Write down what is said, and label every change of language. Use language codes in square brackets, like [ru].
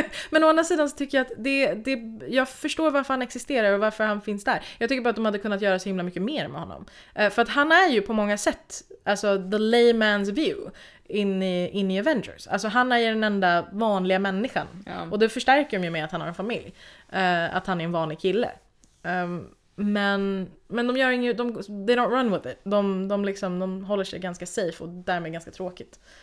[sv] Men å andra sidan så tycker jag att det, jag förstår varför han existerar och varför han finns där. Jag tycker bara att de hade kunnat göra så himla mycket mer med honom. För att han är ju på många sätt, alltså [en] the layman's view [sv] in i Avengers. Alltså han är ju den enda vanliga människan. Ja. Och det förstärker dem ju med att han har en familj. Att han är en vanlig kille. Men de gör inget, [en] they don't run with it. [sv] De håller sig ganska safe och därmed ganska tråkigt.